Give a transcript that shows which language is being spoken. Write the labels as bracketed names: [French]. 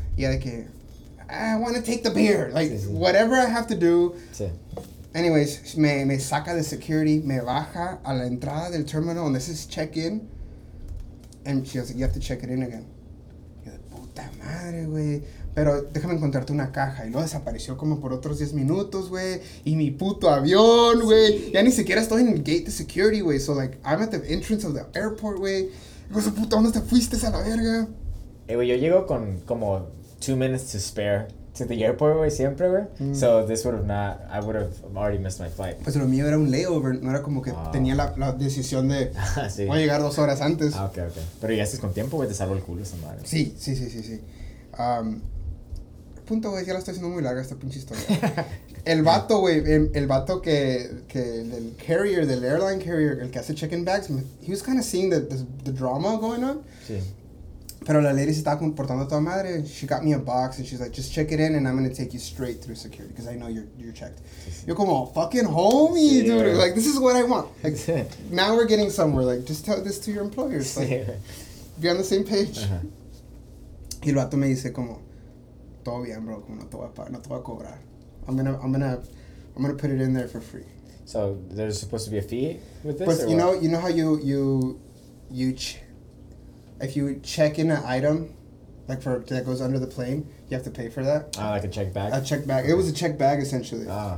[Spanish] Y ella, [English] like, I want to take the beer. Like, [Spanish] sí, sí. [English] whatever I have to do. [Spanish] Sí. [English] Anyways, [Spanish] me saca de security, me baja a la entrada del terminal, [English] and this is check-in. And she goes, like, you have to check it in again. You're like, puta. [Spanish] puta madre, güey. Pero déjame encontrarte una caja. Y luego desapareció como por otros 10 minutos, güey. Y mi puto avión, güey. Sí. Ya ni siquiera estoy en el gate de security, güey. [English] So, like, I'm at the entrance of the airport, güey. [Spanish] Digo, su puta, ¿dónde te fuiste a la verga? Hey, güey, yo llego con como [English] 2 minutes to spare to the airport, [Spanish] güey, siempre, güey. Mm. [English] So, this would have not, I would have already missed my flight. [Spanish] Pues lo mío era un layover. No era como que tenía la decisión de, sí, voy a llegar 2 horas antes. Ah, ok, ok. Pero ya estás con tiempo, güey, te salvo el culo esa madre. Sí, sí, sí, sí, sí. Punto, güey, ya la estoy haciendo muy larga esta pinche historia. El vato, güey, el vato que del carrier, del airline carrier, el que hace check-in bags, [English] he was kind of seeing the drama going on. [Spanish] Sí. Pero la lady se estaba comportando a toda madre. [English] She got me a box and she's like, just check it in and I'm going to take you straight through security because I know you're checked. [Spanish] Sí, sí. Yo como, [English] fucking homie, sí, dude. Yeah. Like, this is what I want. Like, sí. Now we're getting somewhere. Like, just tell this to your employers. Like, sí. Be on the same page. [Spanish] Uh-huh. Y el vato me dice como, todo bien, bro, como no te voy a cobrar. [English] I'm gonna put it in there for free. So there's supposed to be a fee with this? But you know how if you check in an item, like for that goes under the plane, you have to pay for that. Like a check bag? A check bag. Okay. It was a check bag essentially. Oh.